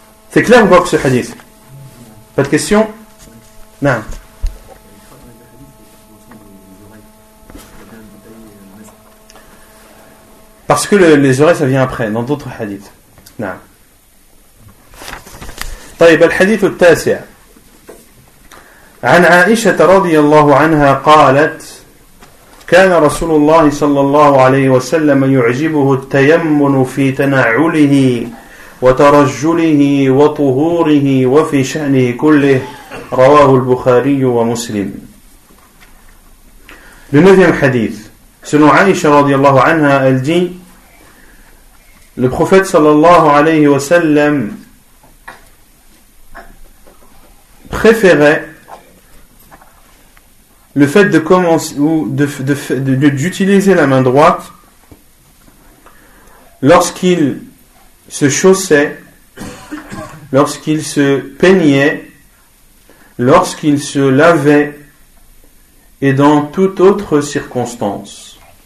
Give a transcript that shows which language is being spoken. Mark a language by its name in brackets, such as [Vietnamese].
[French] C'est clair ou pas pour ce hadith? Pas de question? Non. Parce que les oreilles, ça vient après, dans d'autres hadiths. Non. [Arabic] طيب الحديث التاسع عن عائشة رضي الله عنها قالت كان رسول الله صلى الله عليه وسلم يعجبه التيمم في تنعله وترجله وطهوره وفي شأنه كله رواه البخاري ومسلم. [French] Le neuvième hadith, selon Aïcha radiallahu anha, elle dit, le prophète صلى الله عليه وسلم préférait le fait de commencer ou d'utiliser la main droite lorsqu'il se chaussait, lorsqu'il se peignait, lorsqu'il se lavait et dans toute autre circonstance.